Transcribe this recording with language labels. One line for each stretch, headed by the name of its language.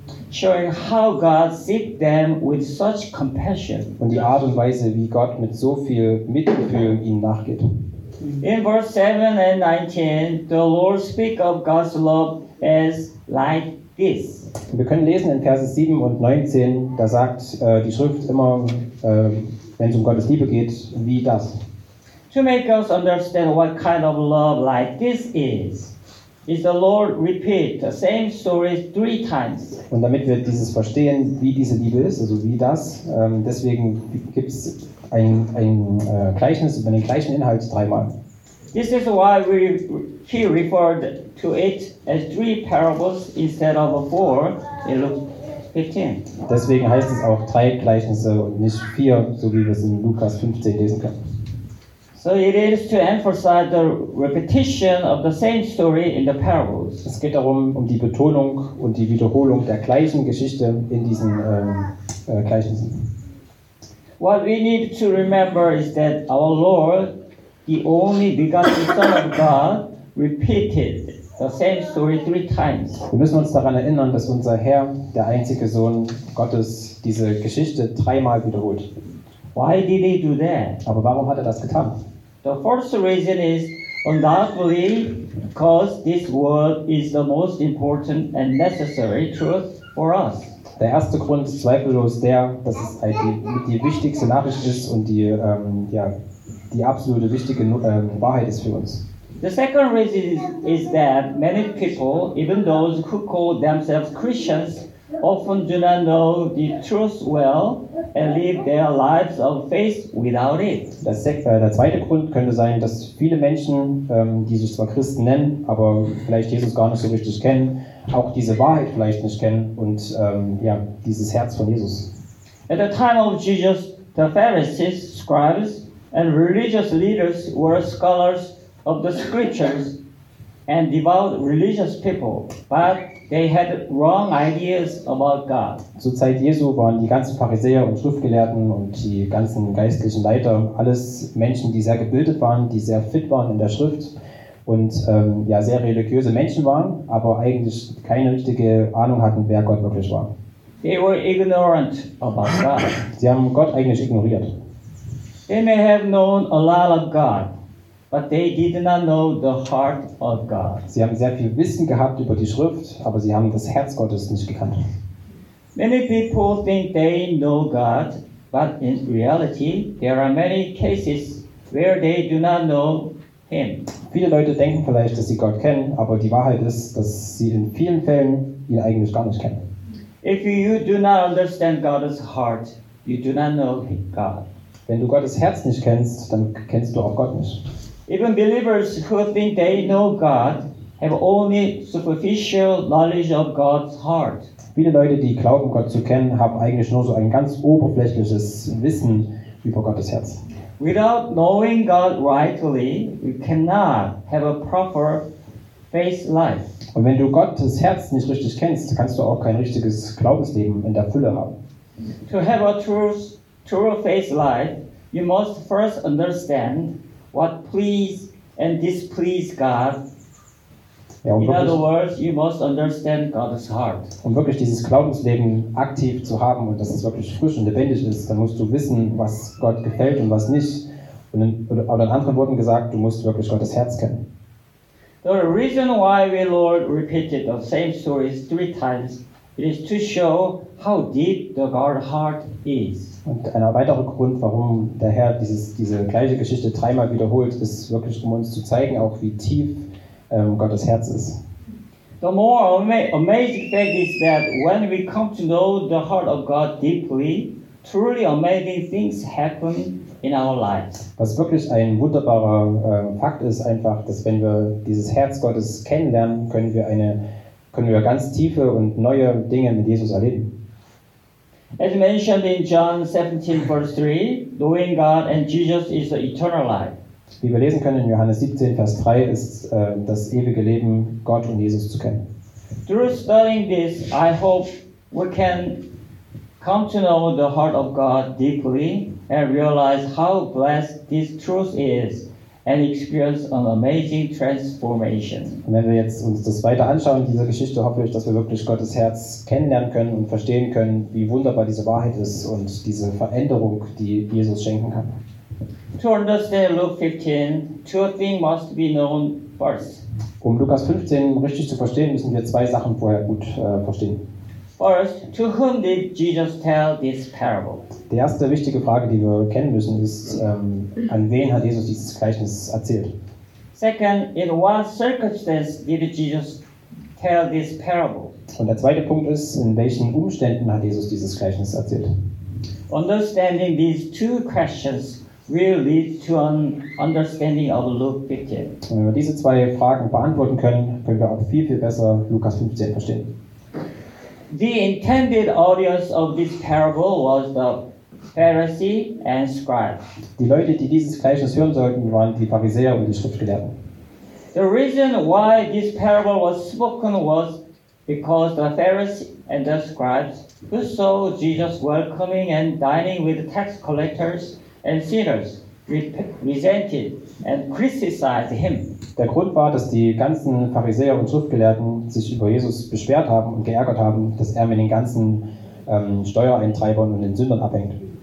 English: Showing how God sees them with such compassion.
German: Und die Art und Weise, wie Gott mit so viel Mitgefühl ihnen nachgeht.
English: In verse 7 and 19, the Lord speaks of God's love as like this.
German: Wir können lesen in Verse 7 und 19, da sagt die Schrift immer, wenn es um Gottes Liebe geht, wie das.
English: To make us understand what kind of love like this is the Lord repeat the same story three times.
German: Und damit wir dieses verstehen, wie diese Liebe ist, also wie das, deswegen gibt es ein Gleichnis über den gleichen Inhalt dreimal.
English: This is why we he referred to it as three parables instead of four in Luke 15.
German: Deswegen heißt es auch drei Gleichnisse und nicht vier, so wie wir es in Lukas 15 lesen können.
English: So it is to emphasize the repetition of the same story in the parables.
German: Es geht darum, um die Betonung und die Wiederholung der gleichen Geschichte in diesen Gleichnissen.
English: What we need to remember is that our Lord, the only begotten Son of God, repeated the same story three times.
German: Wir müssen uns daran erinnern, dass unser Herr, der einzige Sohn Gottes, diese Geschichte dreimal wiederholt.
English: Why did he do that?
German: Aber warum hat er das getan?
English: The first reason is undoubtedly because this word is the most important and necessary truth for us.
German: Der erste Grund ist zweifellos der, dass es die wichtigste Nachricht ist und die die absolute wichtige Wahrheit ist für uns.
English: The second reason is that many people, even those who call themselves Christians, often do not know the truth well and live their lives of faith without it.
German: Der zweite Grund könnte sein, dass viele Menschen, die sich zwar Christen nennen, aber vielleicht Jesus gar nicht so richtig kennen, auch diese Wahrheit vielleicht nicht kennen und dieses Herz von Jesus.
English: At the time of Jesus, the Pharisees, scribes and religious leaders were scholars of the scriptures and devout religious people, but they had wrong ideas about God.
German: Zur Zeit Jesu waren die ganzen Pharisäer und Schriftgelehrten und die ganzen geistlichen Leiter alles Menschen, die sehr gebildet waren, die sehr fit waren in der Schrift und sehr religiöse Menschen waren, aber eigentlich keine richtige Ahnung hatten, wer Gott wirklich war.
English: They were ignorant about God.
German: Sie haben Gott eigentlich ignoriert.
English: They may have known a lot of God, but they did not know the heart of God.
German: Sie haben sehr viel Wissen gehabt über die Schrift, aber sie haben das Herz Gottes nicht gekannt.
English: Many people think they know God, but in reality, there are many cases where they do not know Him.
German: Viele Leute denken vielleicht, dass sie Gott kennen, aber die Wahrheit ist, dass sie in vielen Fällen ihn eigentlich gar nicht kennen.
English: If you do not understand God's heart, you do not know God.
German: Wenn du Gottes Herz nicht kennst, dann kennst du auch Gott nicht.
English: Even believers who think they know God have only superficial knowledge of God's heart.
German: Viele Leute, die glauben, Gott zu kennen, haben eigentlich nur so ein ganz oberflächliches Wissen über Gottes Herz.
English: Without knowing God rightly, you cannot have a proper faith life.
German: Und wenn du Gottes Herz nicht richtig kennst, kannst du auch kein richtiges Glaubensleben in der Fülle haben.
English: To have a true faith life, you must first understand what please and displease God.
German: Ja,
English: in other words, you must understand God's heart.
German: Um wirklich dieses Glaubensleben aktiv zu haben und dass es wirklich frisch und lebendig ist, dann musst du wissen, was Gott gefällt und was nicht. Oder in anderen Worten gesagt, du musst wirklich Gottes Herz kennen.
English: The reason why the Lord repeated the same stories three times is to show how deep the God's heart is.
German: Und ein weiterer Grund, warum der Herr diese gleiche Geschichte dreimal wiederholt, ist wirklich, um uns zu zeigen, auch wie tief Gottes Herz ist.
English: The more amazing fact is that when we come to know the heart of God deeply, truly amazing things happen in our lives.
German: Was wirklich ein wunderbarer Fakt ist, einfach, dass wenn wir dieses Herz Gottes kennenlernen, können wir ganz tiefe und neue Dinge mit Jesus erleben.
English: As mentioned in John 17, verse 3, knowing God and Jesus is the eternal life.
German: Wie wir lesen können in Johannes 17, Vers 3, ist das ewige Leben, Gott und Jesus zu kennen.
English: Through studying this, I hope we can come to know the heart of God deeply and realize how blessed this truth is and experience an amazing transformation.
German: Und wenn wir jetzt uns das weiter anschauen, diese Geschichte, hoffe ich, dass wir wirklich Gottes Herz kennenlernen können und verstehen können, wie wunderbar diese Wahrheit ist und diese Veränderung, die Jesus schenken kann.
English: To understand Luke 15, two things must be known first.
German: Um Lukas 15 richtig zu verstehen, müssen wir zwei Sachen vorher gut verstehen.
English: First, to whom did Jesus tell this parable?
German: Die erste wichtige Frage, die wir kennen müssen, ist, an wen hat Jesus dieses Gleichnis erzählt?
English: Second, in what circumstance did Jesus tell this parable?
German: Und der zweite Punkt ist, in welchen Umständen hat Jesus dieses Gleichnis erzählt?
English: Understanding these two questions will lead to an understanding of Luke 15.
German: Wenn wir diese zwei Fragen beantworten können, können wir auch viel, viel besser Lukas 15 verstehen.
English: The intended audience of this parable was the Pharisee and scribe.
German: Die Leute, die dieses Gleichnis hören sollten, waren die Pharisäer und die Schriftgelehrten.
English: The reason why this parable was spoken was because the Pharisee and the scribes who saw Jesus welcoming and dining with tax collectors and sinners resented and criticized him.
German: Der Grund war, dass die ganzen Pharisäer und Schriftgelehrten sich über Jesus beschwert haben und geärgert haben, dass er mit den ganzen Steuereintreibern und den Sündern abhängt.